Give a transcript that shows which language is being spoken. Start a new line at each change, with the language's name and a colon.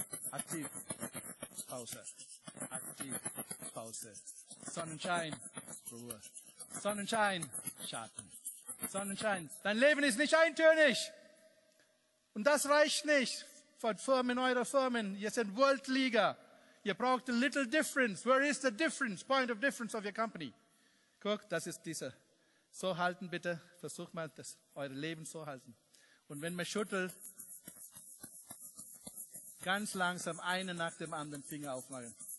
German: Aktiv. Pause. Aktiv. Pause. Sonnenschein. Ruhe. Sonnenschein. Schatten. Sonnenschein. Dein Leben ist nicht eintönig. Und das reicht nicht von Firmen, eurer Firmen. Ihr seid World Leader. Ihr braucht
English: a little difference. Where is the difference? Point of difference of your company.
German: Guck, das ist dieser. So halten bitte. Versucht mal, das, eure Leben so halten. Und wenn man schüttelt, ganz langsam einen nach dem anderen Finger aufmachen.